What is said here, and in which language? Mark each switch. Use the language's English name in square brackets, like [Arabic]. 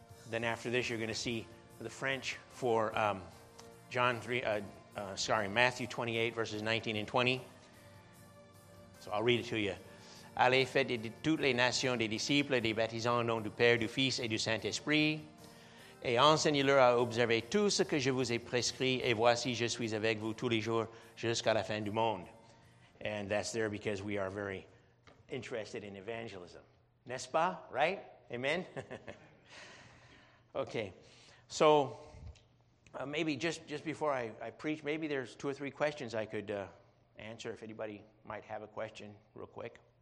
[English] Then after this, you're going to see the French for Matthew 28, verses 19 and 20. So I'll read it to you. [French] Allez, faites de toutes les nations des disciples, des baptisants au nom du Père, du Fils et du Saint-Esprit, et enseignez-leur à observer tout ce que je vous ai prescrit, et voici, je suis avec vous tous les jours jusqu'à la fin du monde. [English] And that's there because we are very interested in evangelism. [French] N'est-ce pas? [English] Right? Amen? Okay. So maybe just before I preach, maybe there's two or three questions I could answer if anybody might have a question real quick.